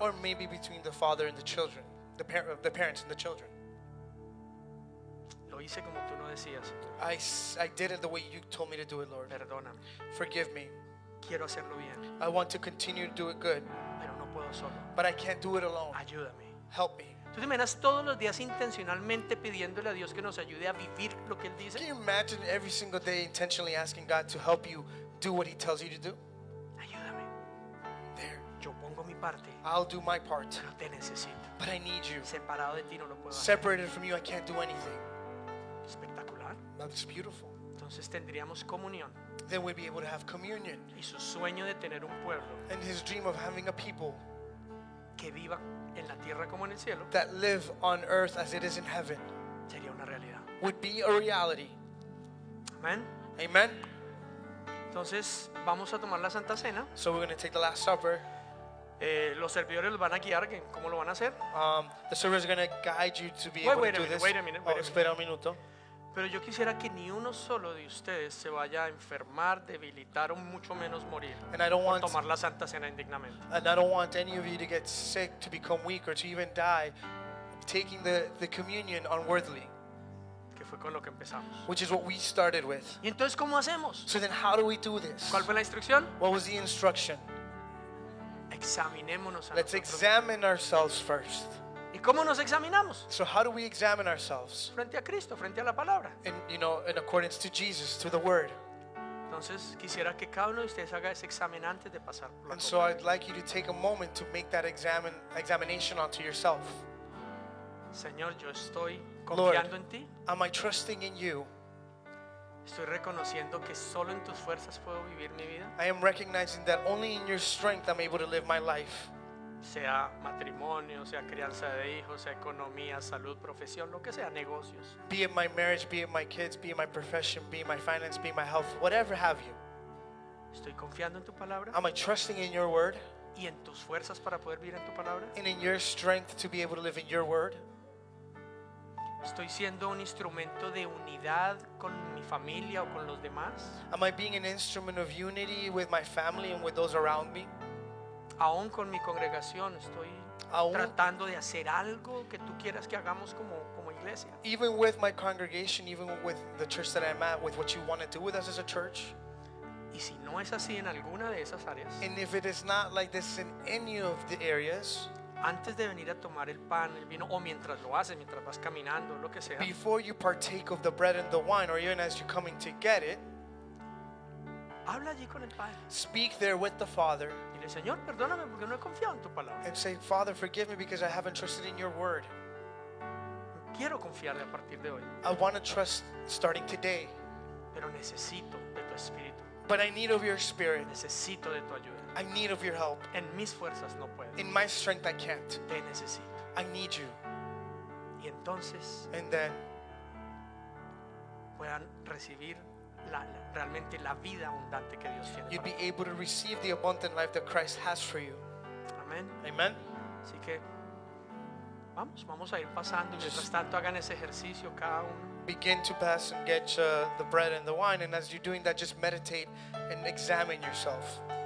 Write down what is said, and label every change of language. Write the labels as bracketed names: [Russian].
[English] Or maybe between the father and the children. The parents and the children. [Spanish] Hice como tú no decías. [English] I did it the way you told me to do it, Lord. [Spanish] Perdóname. [English] Forgive me. [Spanish] quiero hacerlo bien. [English] I want to continue to do it good. [Spanish] Pero no puedo solo. [English] But I can't do it alone. [Spanish] Ayúdame. [English] Help me. [Spanish] ¿Tú te imaginas todos los días intencionalmente pidiéndole a Dios que nos ayude a vivir lo que Él dice? [English] Can you imagine every single day intentionally asking God to help you do what He tells you to do? [Spanish] Ayúdame. [English] There. [Spanish] Yo pongo mi parte. [English] I'll do my part. [Spanish] Pero te necesito. [English] But I need you. [Spanish] Separado de ti no lo puedo hacer. [English] Separated from you, I can't do anything. [Spanish] Espectacular. [English] That's beautiful. [Spanish] Entonces tendríamos comunión. [English] Then we'd be able to have communion. [Spanish] Y su sueño de tener un pueblo. [English] And his dream of having a people. [Spanish] Que viva en la tierra como en el cielo. [English] That live on earth as it is in heaven. [Spanish] Sería una realidad. [English] Would be a reality. [Spanish] Amen. [English] Amen. [Spanish] Entonces vamos a tomar la Santa Cena. [English] So we're going to take the Last Supper. [Spanish] Los servidores van a guiar cómo lo van a hacer. [English] The servers are going to guide you to be able to do this. Wait a minute. Wait a minute. [Spanish] Espera un minuto. Pero yo quisiera que ni uno solo de ustedes se vaya a enfermar, debilitar o mucho menos morir por tomar la Santa Cena indignamente. [English] And I don't want any of you to get sick, to become weak, or to even die taking the communion unworthily. [Spanish] Que fue con lo que empezamos. [English] Which is what we started with. [Spanish] ¿Y entonces cómo hacemos? [English] So then how do we do this? [Spanish] ¿Cuál fue la instrucción? [English] What was the instruction? [Spanish] Examinémonos a nosotros. [English] Let's examine ourselves first. [Spanish] ¿Y cómo nos examinamos? [English] So how do we examine ourselves? [Spanish] Frente a Cristo, frente a la palabra. [English] In, you know, in accordance to Jesus, through the word. [Spanish] Entonces, quisiera que cada uno de ustedes haga ese examen antes de pasar por la [English] And copa. So I'd like you to take a moment to make that examination onto yourself. [Spanish] Señor, yo estoy confiando [English] Lord, [Spanish] en ti. [English] Am I trusting in you? [Spanish] Estoy reconociendo que solo en tus fuerzas puedo vivir mi vida. [English] I am recognizing that only in your strength I'm able to live my life. [Spanish] Sea matrimonio, sea crianza de hijos, sea economía, salud, profesión, lo que sea, negocios. [English] Be it my marriage, be it my kids, be it my profession, be it my finance, be it my health, whatever have you. [Spanish] Estoy confiando en tu palabra. [English] Am I trusting in your word? [Spanish] Y en tus fuerzas para poder vivir en tu palabra. [English] And in your strength to be able to live in your word. [Spanish] Estoy siendo un instrumento de unidad con mi familia o con los demás. [English] Am I being an instrument of unity with my family and with those around me? [Spanish] Aún con mi congregación estoy aún, tratando de hacer algo que tú quieras que hagamos como iglesia. [English] Even with my congregation, even with the church that I'm at, with what you want to do with us as a church. [Spanish] Y si no es así en alguna de esas áreas. [English] And if it is not like this in any of the areas. [Spanish] Antes de venir a tomar el pan, el vino, o mientras lo haces, mientras vas caminando, lo que sea. [English] Before you partake of the bread and the wine, or even as you're coming to get it. [Spanish] Habla allí con el Padre. [English] Speak there with the Father. [Spanish] Dile, Señor, perdóname porque no he confiado en tu palabra. [English] And say, Father, forgive me because I haven't trusted in your word. [Spanish] Quiero confiarle a partir de hoy. [English] I want to trust starting today. [Spanish] Pero necesito de tu espíritu. [English] But I need of your spirit. [Spanish] Necesito de tu ayuda. [English] I need of your help. [Spanish] En mis fuerzas no puedo. [English] In my strength I can't. [Spanish] Te necesito. [English] I need you. [Spanish] Y entonces, [English] and then, [Spanish] puedan recibir realmente la vida abundante que Dios tiene. [English] You'd be able to receive the abundant life that Christ has for you. [Spanish] Amen. [English] Amen. [Spanish] Así que vamos a ir pasando. Mientras tanto, hagan ese ejercicio cada uno. [English] Begin to pass and get the bread and the wine, and as you're doing that, just meditate and examine yourself.